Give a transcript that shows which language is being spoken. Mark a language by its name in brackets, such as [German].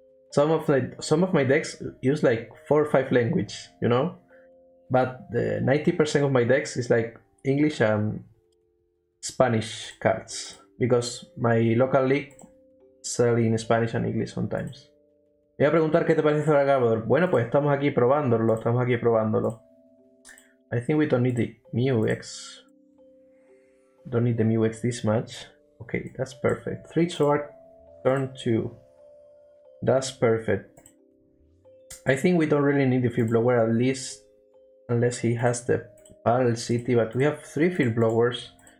[English] Some of my decks use like 4 or 5 languages, you know? But 90% of my decks is like English and Spanish cards. Because my local league sell in Spanish and English sometimes. [Spanish] Me voy a preguntar qué te parece Zoragabador. Bueno, pues estamos aquí probándolo. [English] I think we don't need the Mew X. Don't need the Mew X this much. Okay, that's perfect. 3 sword, turn 2. That's perfect. I think we don't really need the field blower, at least unless he has the Battle City, but we have 3 field blowers.